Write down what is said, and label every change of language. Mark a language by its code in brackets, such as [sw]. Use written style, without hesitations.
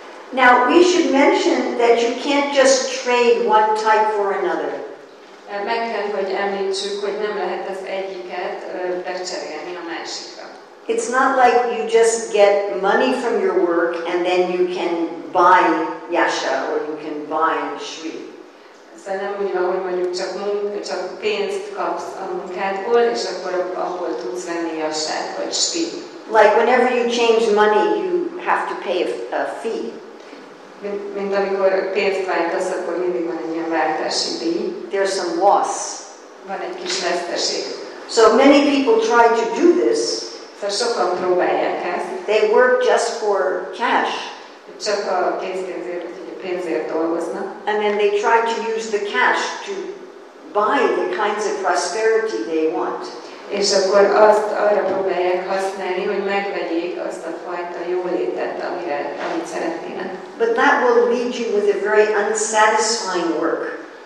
[en] Now we should mention that you can't just trade one type for another. [hu] Meg kell, hogy említsük, hogy nem lehet az egyiket becserélni a másik. [en] It's not like you just get money from your work and then you can buy Yasha or you can buy Shri. [hu] Szerintem úgy van, hogy mondjuk csak pénzt kapsz a munkádból, és akkor ahol tudsz venni Yashát vagy Shri. [en] Like whenever you change money, you have to pay a fee. [hu] Mint amikor pénzt váltasz, akkor mindig van egy ilyen váltási díj. [en] There's some loss. [hu] Van egy kis veszteség. [en] So many people try to do this. [hu] Szóval sokan próbálják ezt. [en] They work just for cash. [hu] Csak a pénzért dolgoznak. [en] And then they try to use the cash to buy the kinds of prosperity they want. [hu] És akkor azt arra próbálják használni, hogy megvegyék azt a fajta jólétet, amit szeretnének. [en] But that will lead you with a very unsatisfying work.